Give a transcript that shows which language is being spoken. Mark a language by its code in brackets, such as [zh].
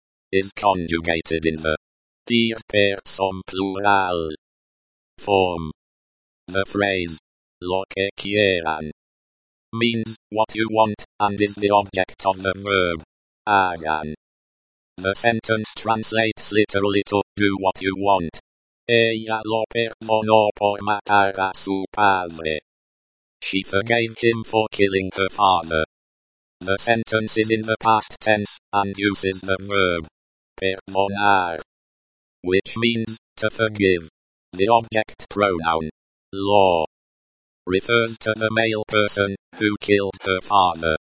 [en] is conjugated in the dies person plural form. The phrase [es] lo que quieran [en] means what you want and is the object of the verb [es] hagan. [en] The sentence translates literally to do what you want. [es] Ella lo perdonó por matar a su padre. [en] She forgave him for killing her father. The sentence is in the past tense and uses the verb [es] perdonar, [en] which means to forgive. The object pronoun [es] lo [en] refers to the male person who killed her father.